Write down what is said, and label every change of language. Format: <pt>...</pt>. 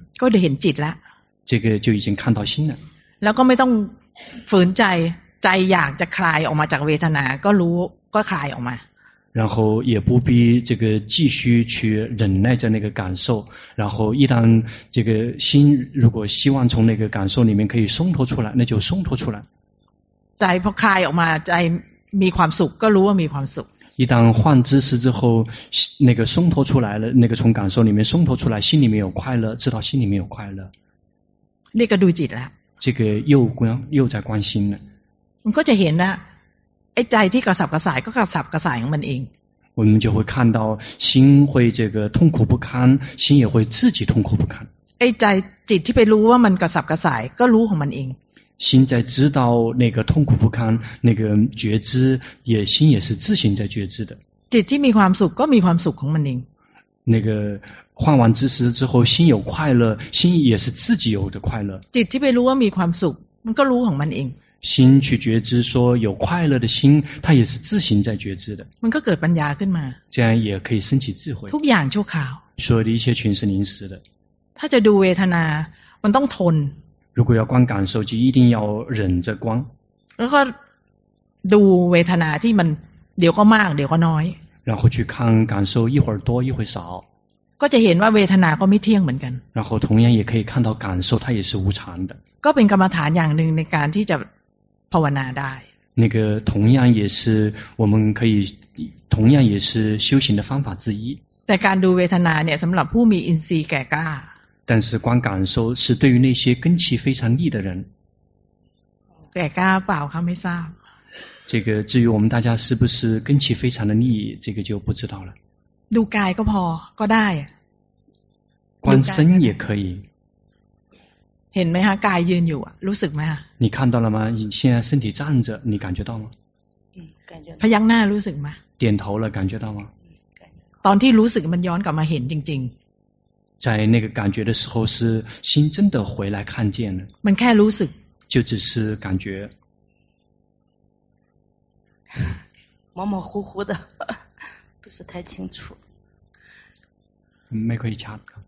<th>ก็จะเห็นจิตละ</th> <zh>这个就已经看到心了</zh> <th>แล้วก็ไม่ต้องฝืนใจใจอยากจะคลายออกมาจากเวทนาก็รู้ก็คลายออกมา</th> <zh>然后也不必这个继续去忍耐着那个感受然后一旦这个心如果希望从那个感受里面可以松脱出来那就松脱出来</zh> <th>ใจพอคลายออกมาใจมีความสุขก็รู้ว่ามีความสุข</th> <zh>一旦换姿势之后那个松脱出来了那个从感受里面松脱出来心里面有快乐知道心里面有快乐那个</zh> <th>ดูจิตละ</th> <zh>这个又在关心了</zh> <th>มันก็จะเห็นนะไอ้ใจที่กระสับกระส่ายก็กระสับกระส่ายของมันเอง</th> <zh>我们就会看到心会这个痛苦不堪心也会自己痛苦不堪</zh> <th>ไอ้ใจจิตที่ไปรู้ว่ามันกระสับกระส่ายก็รู้ของมันเอง</th> <zh>心在知道那个痛苦不堪那个觉知也心也是自行在觉知的</zh> <th>จิตที่มีความสุขก็มีความสุขของมันเอง</th> <zh>那个换完姿势之后心有快乐心也是自己有的快乐</zh> <th>จิตที่ไปรู้ว่ามีความสุขมันก็รู้ของมันเอง</th> <zh>心去觉知说有快乐的心它也是自行在觉知的</zh> <th>มันก็เกิดปัญญาขึ้นมา</th> <zh>这样也可以升起智慧</zh> <th>ทุกอย่างชั่วคราว</th> <zh>所有的一切全是临时的</zh> <th>ถ้าจะดูเวทนามันต้องทน</th> <zh>如果要观感受就一定要忍着观</zh> <th>แล้วก็ดูเวทนาที่มันเดี๋ยวก็มากเดี๋ยวก็น้อย</th> <zh>然后去看感受一会儿多一会儿少</zh> <th>ก็จะเห็นว่าเวทนาก็ไม่เที่ยงเหมือนกัน</th> <zh>然后同样也可以看到感受它也是无常的</zh> <th>ก็เป็นกรรมฐานอย่างนึงในการที่จะภาวนาได้</th> <zh>那个同样也是我们可以同样也是修行的方法之一</zh> <th>แต่การดูเวทนาเนี่ยสำหรับผู้มีอินทรีย์แก่กล้า</th> <zh>但是观感受是对于那些根气非常利的人</zh> <th>แก่กล้าเปล่าเขาไม่ทราบ</th> <zh>这个至于我们大家是不是根气非常的利这个就不知道了</zh> <th>ดูกายก็พอก็ได้</th> <zh>观身也可以</zh> <th>เห็นไหมฮะกายยืนอยู่อ่ะรู้สึกไหมฮะ</th> <zh>你看到了吗你现在身体站着你感觉到吗感觉</zh> <th>พยักหน้ารู้สึกไหม</th> <zh>点头了感觉到吗</zh> <th>ตอนที่รู้สึกมันย้อนกลับมาเห็นจริง</th> <zh>ๆ在那个感觉的时候是心真的回来看见了</zh> <th>มันแค่รู้สึก</th> <zh>就只是感觉模模糊糊的不是太清楚没可以掐</zh>